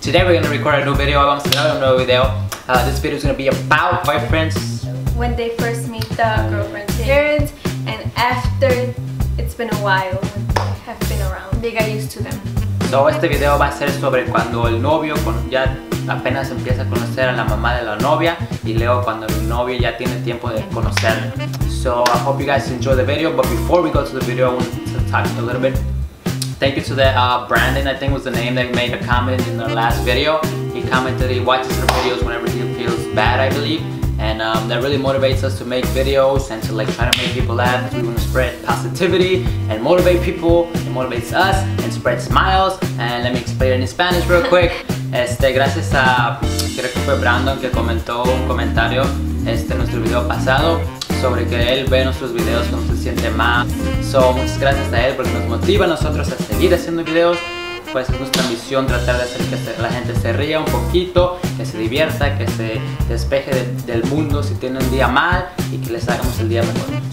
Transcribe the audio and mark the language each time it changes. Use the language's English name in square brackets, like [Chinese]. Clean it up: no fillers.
[English] Today we're gonna record a new video along with another new video. This video is gonna be about boyfriends. When they first meet the girlfriend's parents, and after it's been a while, when they have been around, they got used to them. [Spanish] So este video va a ser sobre cuando el novio ya apenas empieza a conocer a la mamá de la novia, y luego cuando el novio ya tiene tiempo de conocerla. [English] So I hope you guys enjoy the video, but before we go to the video, I want to talk a little bit. Thank you to the Brandon, I think was the name, that made a comment in our last video. He commented he watches our videos whenever he feels bad, I believe. And that really motivates us to make videos and to like try to make people laugh. We want to spread positivity and motivate people. It motivates us and spread smiles. And let me explain it in Spanish real quick. [Spanish] gracias a, creo que fue Brandon que comentó un comentario en nuestro video pasado sobre que él ve nuestros videos cuando se siente mal. So, muchas gracias a él porque nos motiva a nosotros a seguir haciendo videos. Pues es nuestra misión tratar de hacer que la gente se ría un poquito, que se divierta, que se despeje del mundo si tiene un día mal y que les hagamos el día mejor.